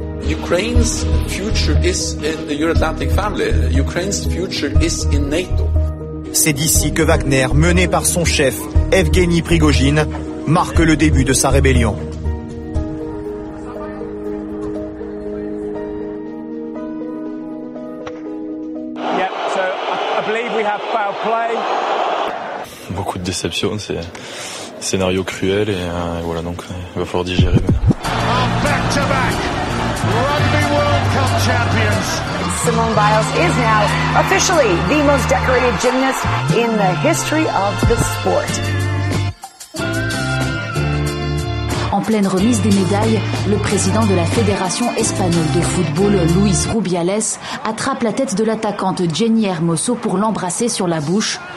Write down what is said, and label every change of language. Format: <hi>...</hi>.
<en>Ukraine's future is in the Euro-Atlantic family. Ukraine's future is in NATO.</en> <fr>C'est d'ici que Wagner, mené par son chef, Evgeny Prigogine, marque le début de sa rébellion. Beaucoup de déceptions, c'est un scénario cruel et voilà, donc il va falloir digérer.</fr> <en>Simone Biles is now officially the most decorated gymnast in the history of the sport.</en> <fr>En pleine remise des médailles, le président de la Fédération espagnole de football, Luis Rubiales, attrape la tête de l'attaquante Jenny Hermoso pour l'embrasser sur la bouche.</fr>